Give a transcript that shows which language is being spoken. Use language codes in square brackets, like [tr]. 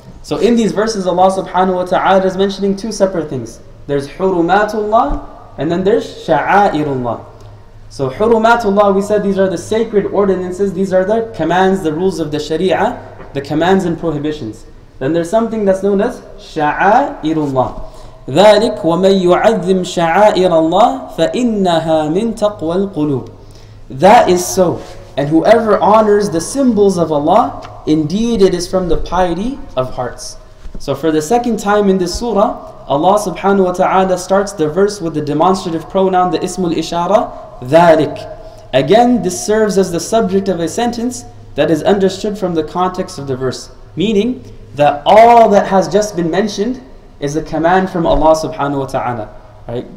[en] So in these verses, Allah subhanahu wa ta'ala is mentioning two separate things. There's hurumatullah, and then there's sha'airullah. So hurumatullah, we said these are the sacred ordinances, these are the commands, the rules of the sharia, the commands and prohibitions. Then there's something that's known as sha'airullah. [ar] ذلك ومن يعظم شعائر الله فإنها من تقوى القلوب. [en] That is so. And whoever honors the symbols of Allah, indeed it is from the piety of hearts. So for the second time in this surah, Allah subhanahu wa ta'ala starts the verse with the demonstrative pronoun, the ismul ishara, ذلك. Again, this serves as the subject of a sentence that is understood from the context of the verse, meaning that all that has just been mentioned is a command from Allah subhanahu wa ta'ala. Right?